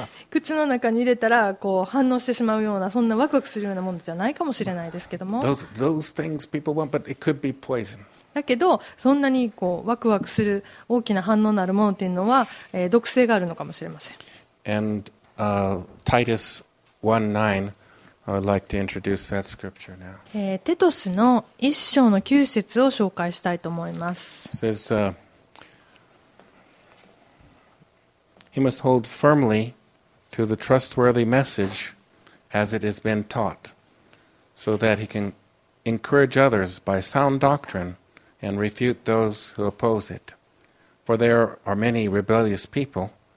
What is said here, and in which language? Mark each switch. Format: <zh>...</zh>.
<ja>口の中に入れたらこう反応してしまうような、そんなワクワクするようなものじゃないかもしれないですけども。</ja> <en>Those things people want, but it could be poison.</en> <ja>だけどそんなにこうワクワクする大きな反応のあるものっていうのは、毒性があるのかもしれません。</ja> <en>Titus 1:9, I would like to introduce that scripture now.</en> <ja>テトスの一章の九節を紹介したいと思います。</ja> <en>Says, he must hold firmly to the trustworthy message as it has been taught, so that he can encourage others by sound doctrine and refute those who oppose it. For there are many rebellious people.</en>